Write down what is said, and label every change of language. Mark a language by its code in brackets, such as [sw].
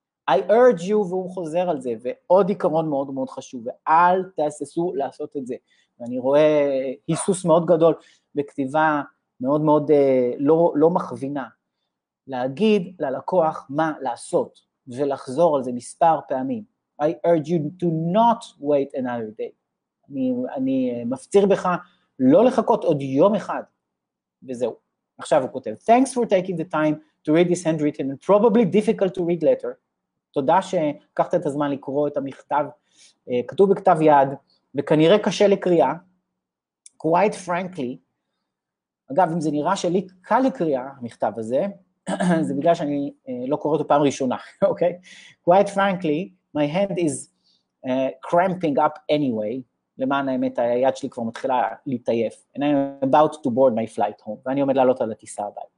[en] I urge you, [he] והוא חוזר על זה, ועוד עיקרון מאוד מאוד חשוב, ואל תעססו לעשות את זה. ואני רואה היסוס מאוד גדול, בכתיבה מאוד מאוד לא מכווינה, להגיד ללקוח מה לעשות, ולחזור על זה מספר פעמים. [en] I urge you to not wait another day. [he] אני מפציר בך לא לחכות עוד יום אחד, וזהו. עכשיו הוא כותב, [en] thanks for taking the time, to read this handwritten and probably difficult to read letter. [he] תודה שקחת את הזמן לקרוא את המכתב, כתוב בכתב יד, וכנראה קשה לקריאה, [en] quite frankly, [he] אגב, אם זה נראה שלי קל לקריאה, המכתב הזה, זה בגלל שאני לא קורא אותו פעם ראשונה, אוקיי? [en] Quite frankly, my hand is cramping up anyway, [he] למען האמת, היד שלי כבר מתחילה להתעייף, [en] and I'm about to board my flight home, [he] ואני עומד לעלות על הטיסה הבית.